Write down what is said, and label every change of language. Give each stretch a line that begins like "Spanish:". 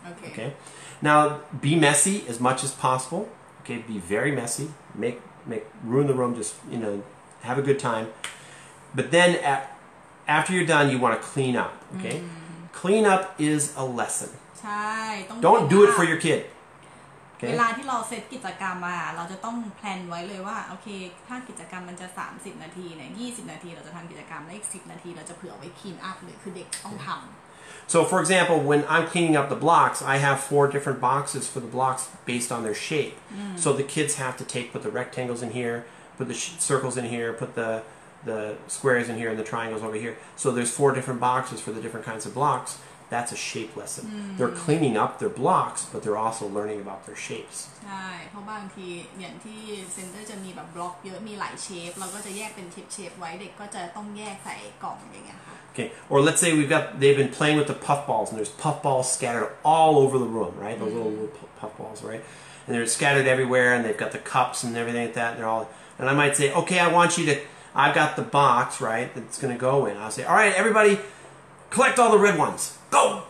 English: Okay. Now, be messy as much as possible. Okay, be very messy. Make ruin the room, just, you know, have a good time. But then after you're done, you want to clean up, okay? Clean up is a lesson. Don't do it for your kid.
Thai: เวลาที่เราเซตกิจกรรมมาเราจะต้องแพลนไว้เลยว่าโอเคถ้ากิจกรรมมันจะ30นาทีเนี่ย20นาทีเราจะทำกิจกรรมและอีก10นาทีเราจะเผื่อไว้คลีนอัพหรือคือเด็กต้องทำ
English: So for example, when I'm cleaning up the blocks, I have four different boxes for the blocks based on their shape. So the kids have to put the rectangles in here, put the circles in here, put the squares in here, and the triangles over here. So there's four different boxes for the different kinds of blocks. that's a shape lesson. Mm-hmm. They're cleaning up their blocks, but they're also learning about their shapes.
Thai: ใช่ เพราะบางทีอย่างที่เซ็นเตอร์จะมีแบบบล็อกเยอะมีหลายเชฟเราก็จะแยกเป็นเชฟๆไว้เด็กก็จะต้องแยกใส่กล่องอย่างเงี้ยค่ะ
English: Okay. Or let's say they've been playing with the puff balls and there's puff balls scattered all over the room, right? Those mm-hmm. little puff balls, right? And they're scattered everywhere and they've got the cups and everything like that and they're all and I might say, "Okay, I want you to I've got the box, right? That's going to go in." I'll say, "All right, everybody collect all the red ones. Go."